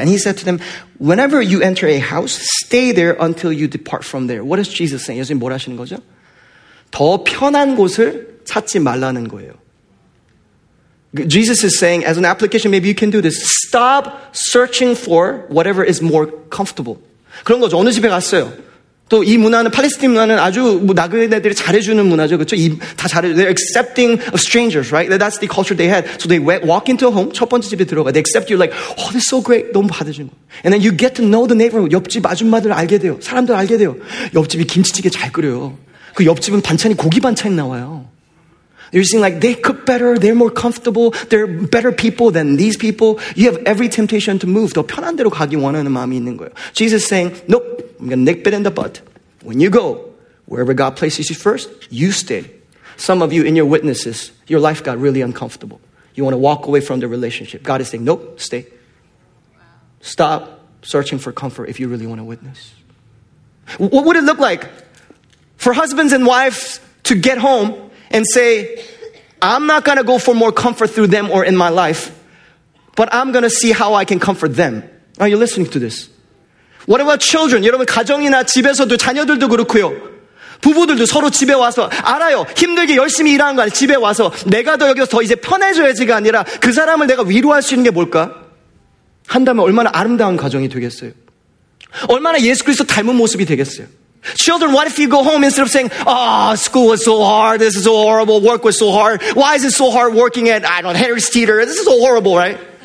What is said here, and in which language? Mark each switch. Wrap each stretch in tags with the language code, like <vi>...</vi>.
<en>And he said to them, whenever you enter a house, stay there until you depart from there. What is Jesus saying?</en> <ko>예수님 뭘 하시는 거죠? 더 편한 곳을 찾지 말라는 거예요.</ko> <en>Jesus is saying, as an application, maybe you can do this. Stop searching for whatever is more comfortable.</en> <ko>그런 거죠. 어느 집에 갔어요. 또 이 문화는, 팔레스틴 문화는 아주 뭐 나그네들이 잘해주는 문화죠. 그렇죠? 다 잘해.</ko> <en>They're accepting of strangers, right? That's the culture they had. So they walk into a home,</en> <ko>첫 번째 집에 들어가.</ko> <en>They accept you like, oh, this is so great.</en> <ko>너무 받아주는 거.</ko> <en>And then you get to know the neighborhood.</en> <ko>옆집 아줌마들 알게 돼요. 사람들 알게 돼요. 옆집이 김치찌개 잘 끓여요. 그 옆집은 반찬이 고기 반찬이 나와요.</ko> <en>You're seeing like they cook better, they're more comfortable, they're better people than these people. You have every temptation to move. 더 편한 데로 가기 원하는 마음이 있는 거예요. Jesus saying, nope, I'm going to nip it in the bud. When you go, wherever God places you first, you stay. Some of you in your witnesses, your life got really uncomfortable. You want to walk away from the relationship. God is saying, nope, stay. Stop searching for comfort if you really want to witness. What would it look like for husbands and wives to get home and say, I'm not going to go for more comfort through them or in my life, but I'm going to see how I can comfort them. Are you listening to this? What about children?</en> <ko>여러분, 가정이나 집에서도 자녀들도 그렇고요. 부부들도 서로 집에 와서 알아요. 힘들게 열심히 일하는 거 아니에요. 집에 와서 내가 더 여기서 더 이제 편해져야지가 아니라 그 사람을 내가 위로할 수 있는 게 뭘까? 한다면 얼마나 아름다운 가정이 되겠어요. 얼마나 예수 그리스도 닮은 모습이 되겠어요.</ko> <en>Children, what if you go home instead of saying, oh, school was so hard, this is so horrible, work was so hard, why is it so hard working at, I don't know, Harris Teeter, this is so horrible, right?</en>